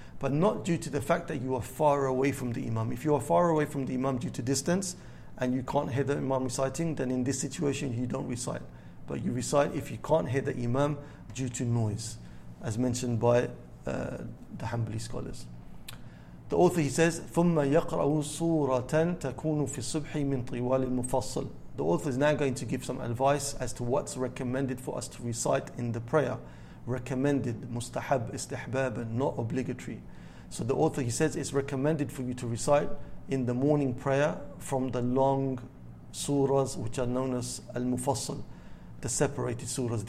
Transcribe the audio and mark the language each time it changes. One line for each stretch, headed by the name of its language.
English: But not due to the fact that you are far away from the imam. If you are far away from the imam due to distance and you can't hear the imam reciting, then in this situation you don't recite. But you recite if you can't hear the imam due to noise, as mentioned by the Hanbali scholars. The author, he says,
Arabic: ثُمَّ يَقْرَأُ سُورَةً تَكُونُ فِي الصُّبْحِ مِنْ طِوَالِ الْمُفَصَّلِ.
English: The author is now going to give some advice as to what's recommended for us to recite in the prayer. Recommended, mustahab, istihbab, not obligatory. So the author, he says, it's recommended for you to recite in the morning prayer from the long surahs, which are known as al-mufassal, the separated surahs.